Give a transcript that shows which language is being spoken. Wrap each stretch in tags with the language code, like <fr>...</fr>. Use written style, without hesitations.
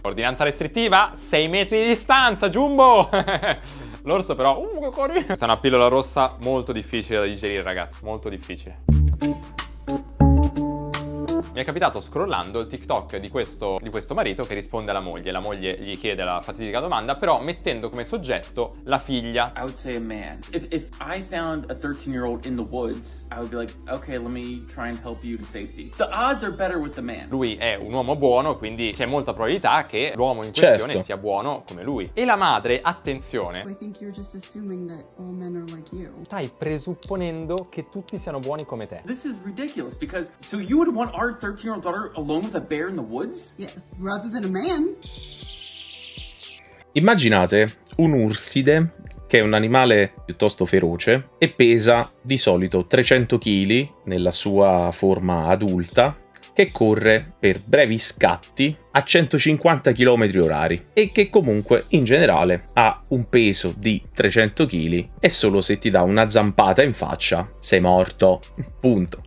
<it>Ordinanza restrittiva? 6 metri di distanza, Jumbo! L'orso però... che carino! Questa è una pillola rossa molto difficile da digerire, ragazzi. Molto difficile. Mi è capitato scrollando il TikTok di questo marito che risponde alla moglie. La moglie gli chiede la fatidica domanda, però mettendo come soggetto la figlia.</it> <en>I would say a man. If I found a 13-year-old in the woods, I would be like, okay, let me try and help you to safety. The odds are better with the man.</en> <it>Lui è un uomo buono, quindi c'è molta probabilità che l'uomo in questione sia buono come lui. E la madre, attenzione.</it> <en>I think you're just assuming that all men are like you.</en> <it>Stai presupponendo che tutti siano buoni come te.</it> <en>This is ridiculous because so you would want our 13-year-old daughter alone with a bear in the woods? Yes, rather than a man.</en> <it>Immaginate un urside che è un animale piuttosto feroce e pesa di solito 300 kg nella sua forma adulta, che corre per brevi scatti a 150 km orari e che comunque in generale ha un peso di 300 kg e solo se ti dà una zampata in faccia sei morto, punto.</it>